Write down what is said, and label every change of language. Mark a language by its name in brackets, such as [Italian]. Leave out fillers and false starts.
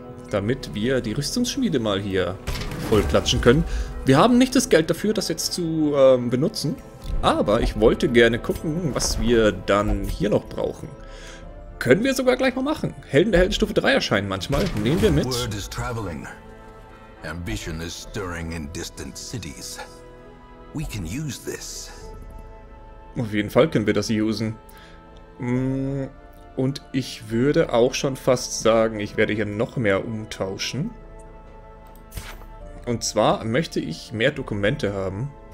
[German] Damit wir die Rüstungsschmiede mal hier vollklatschen können. Wir haben nicht das Geld dafür, das jetzt zu benutzen. Aber ich wollte gerne gucken, was wir dann hier noch brauchen. Können wir sogar gleich mal machen. Helden der Heldenstufe 3 erscheinen manchmal. Nehmen wir mit. [English] Word is traveling. Ambition is stirring in distant cities. We can use this. [German] Auf jeden Fall können wir das usen. Und ich würde auch schon fast sagen, ich werde hier noch mehr umtauschen. Und zwar möchte ich mehr Dokumente haben.